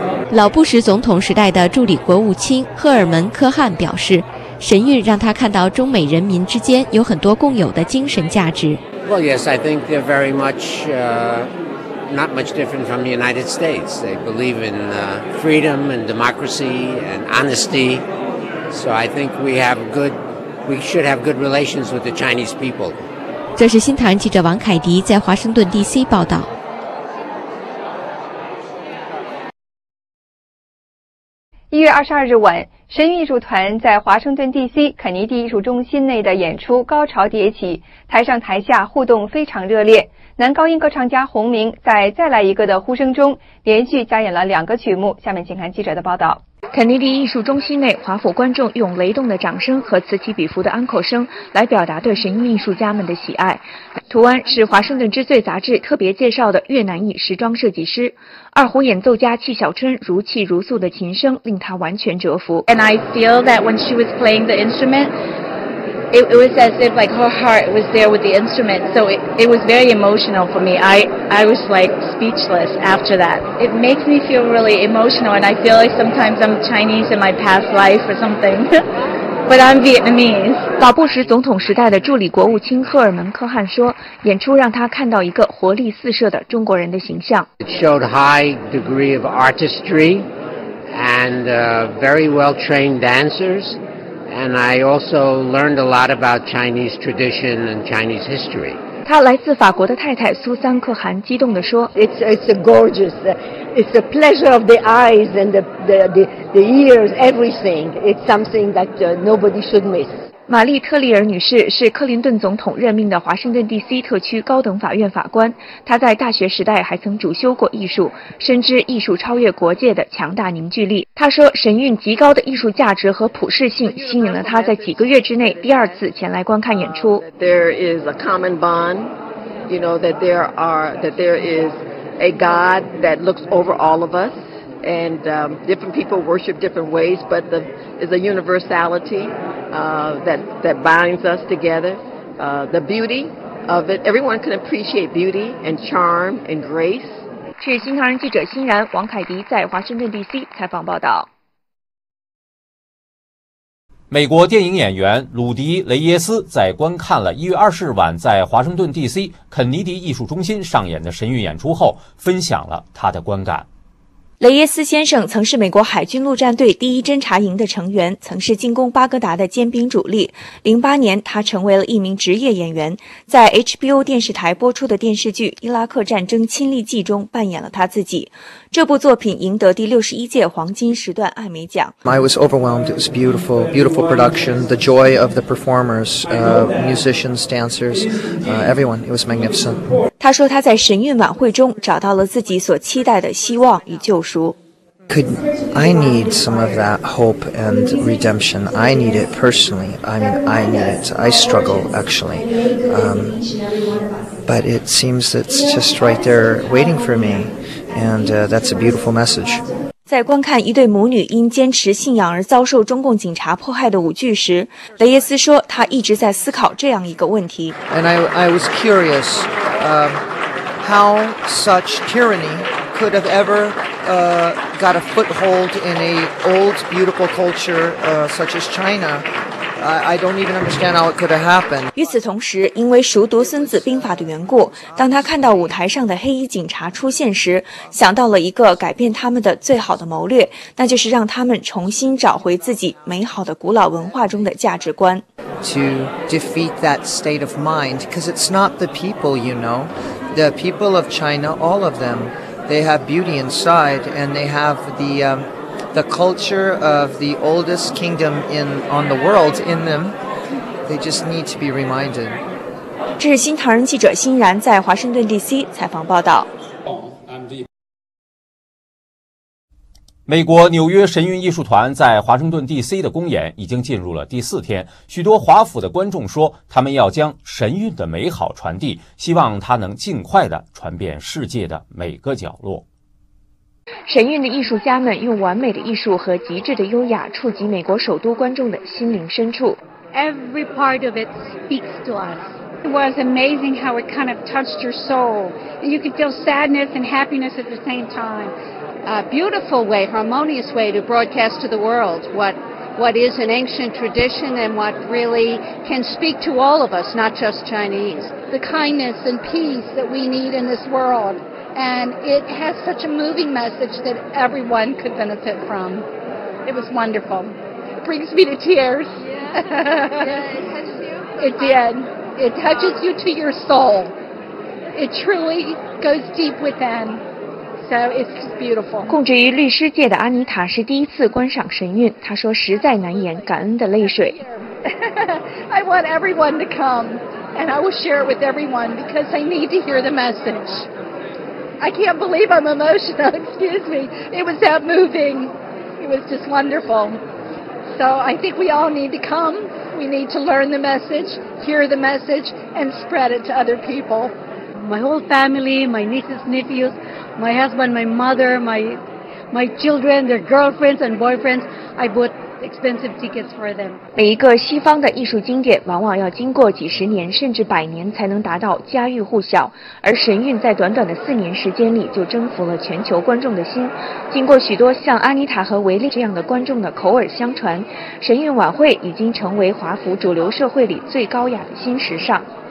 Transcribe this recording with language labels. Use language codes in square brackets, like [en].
[zh] 老布什总统时代的助理国务卿赫尔门·科汉表示，神韵让他看到中美人民之间有很多共有的精神价值。 [en] Well, yes, I think they're very much, not much different from the United States. They believe in freedom and democracy and honesty. So I think we should have good relations with the Chinese people. [zh] 这是新唐记者王凯迪在华盛顿 DC 报道。 1月22日晚，神韵艺术团在华盛顿 DC 肯尼迪艺术中心内的演出高潮迭起，台上台下互动非常热烈。男高音歌唱家洪明在再来一个的呼声中连续加演了两个曲目。下面请看记者的报道。肯尼迪艺术中心内，华府观众用雷动的掌声和此起彼伏的 encore 声来表达对神韵艺术家们的喜爱。图案是华盛顿之最杂志特别介绍的越南裔时装设计师，二胡演奏家戚小春如泣如诉的琴声令他完全折服。 [en] And I feel that when she was playing the instrument, it was as if like her heart was there with the instrument. So it was very emotional for me. I was like speechless after that. It makes me feel really emotional, and I feel like sometimes I'm Chinese in my past life or something. but I'm Vietnamese. [zh] 老布什总统时代的助理国务卿赫尔门·科汉说，演出让他看到一个活力四射的中国人的形象。 [en] It showed high degree of artistry and very well-trained dancers, and I also learned a lot about Chinese tradition and Chinese history. [zh] 他来自法国的太太苏珊·可汗激动地说 [en] It's a gorgeous, it's a pleasure of the eyes and the ears, everything. It's something that nobody should miss. [zh] 玛丽·特利尔女士是克林顿总统任命的华盛顿 DC 特区高等法院法官，她在大学时代还曾主修过艺术，深知艺术超越国界的强大凝聚力。她说，神韵极高的艺术价值和普世性吸引了她在几个月之内第二次前来观看演出。 [en] There is a common bond, you know, that there are, that there is a God that looks over all of us, and different people worship different ways, but the is a universality. That binds us together. The beauty of it, everyone can appreciate beauty and charm and grace. [zh] 据新唐人记者欣然、王凯迪在华盛顿 DC 采访报道。美国电影演员鲁迪·雷耶斯在观看了1月20日晚在华盛顿 DC 肯尼迪艺术中心上演的神韵演出后，分享了他的观感。雷耶斯先生曾是美国海军陆战队第一侦察营的成员，曾是进攻巴格达的尖兵主力。 08年他成为了一名职业演员，在 HBO 电视台播出的电视剧《伊拉克战争亲历记》中扮演了他自己。这部作品赢得第61届黄金时段艾美奖。 [en] I was overwhelmed. It was beautiful, beautiful production. The joy of the performers, musicians, dancers, everyone. It was magnificent. [zh] 他说他在神韵晚会中找到了自己所期待的希望与救赎。 [en] Could I need some of that hope and redemption? I need it personally. I mean, I need it. I struggle actually. But it seems it's just right there waiting for me. And that's a beautiful message. [zh] 在观看一对母女因坚持信仰而遭受中共警察迫害的舞剧时，雷耶斯说他一直在思考这样一个问题。 [en] And I was curious, how such tyranny could have ever, got a foothold in a old beautiful culture, such as China. I don't even understand how it could have happened. [zh] 与此同时，因为熟读《孙子兵法》的缘故，当他看到舞台上的黑衣警察出现时，想到了一个改变他们的最好的谋略，那就是让他们重新找回自己美好的古老文化中的价值观。 [en] To defeat that state of mind, because it's not the people, you know. The people of China, all of them, they have beauty inside, and they have the... The culture of the oldest kingdom on the world in them, they just need to be reminded. [zh] 这是新唐人记者欣然在华盛顿 DC 采访报道。美国纽约神韵艺术团在华盛顿 DC 的公演已经进入了第四天，许多华府的观众说，他们要将神韵的美好传递，希望它能尽快地传遍世界的每个角落。神韵的艺术家们用完美的艺术和极致的优雅触及美国首都观众的心灵深处。 [en] Every part of it speaks to us. It was amazing how it kind of touched your soul. You could feel sadness and happiness at the same time. A beautiful way, harmonious way to broadcast to the world what is an ancient tradition and what really can speak to all of us, not just Chinese. The kindness and peace that we need in this world. And it has such a moving message that everyone could benefit from. It was wonderful. It brings me to tears. Yeah, it touches you? It did. It touches you to your soul. It truly goes deep within. So it's just beautiful. [zh] 供职于律师界的安妮塔是第一次观赏神韵，她说实在难言，感恩的泪水。 [en] I want everyone to come, and I will share it with everyone because I need to hear the message. I can't believe I'm emotional, excuse me. It was that moving. It was just wonderful. So I think we all need to come. We need to learn the message, hear the message, and spread it to other people. My whole family, my nieces, nephews, my husband, my mother, my children, their girlfriends and boyfriends, I bought expensive tickets for them. [zh] 每一个西方的艺术经典往往要经过几十年甚至百年才能达到家喻户晓，而神韵在短短的四年时间里就征服了全球观众的心。经过许多像阿妮塔和维利这样的观众的口耳相传，神韵晚会已经成为华府主流社会里最高雅的新时尚。